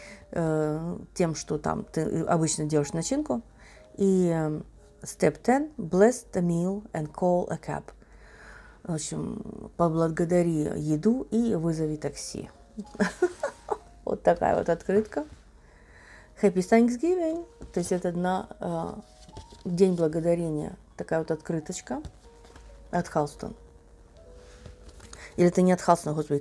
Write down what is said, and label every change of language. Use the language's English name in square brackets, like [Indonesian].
[Russian] Тем, что там ты обычно делаешь начинку. [English] И... Step 10. Bless the meal and call a cab. [Russian] В общем, поблагодари еду и вызови такси. Вот такая вот открытка. [English] Happy Thanksgiving. [Russian] То есть это на День Благодарения. Такая вот открыточка от Halston. Или это не от Halston, господи.